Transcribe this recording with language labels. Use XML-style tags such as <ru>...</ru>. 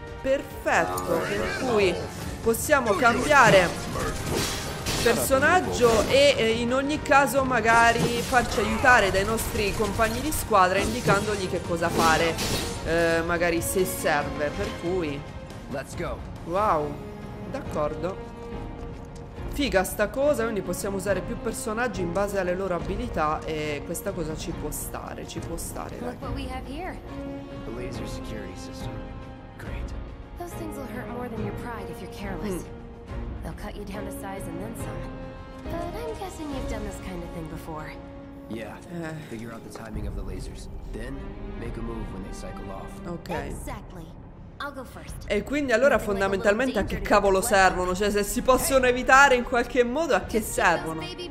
<it>Perfetto, per cui possiamo cambiare personaggio e in ogni caso magari farci aiutare dai nostri compagni di squadra indicandogli che cosa fare, magari se serve, per cui</it> <en>let's go.</en> <it>Wow, d'accordo, figa sta cosa, quindi possiamo usare più personaggi in base alle loro abilità e questa cosa ci può stare, ci può stare.</it> <en>Look what we have here. The laser security system. Great. Those things will hurt more than your pride if you're careless. They'll cut you down to size and then some. But I'm guessing you've done this kind of thing before. Yeah. Figure out the timing of the lasers. Then make a move when they cycle off. Okay. Exactly.</en> <it>E quindi allora fondamentalmente a che cavolo servono? Cioè se si possono evitare in qualche modo a che servono?</it>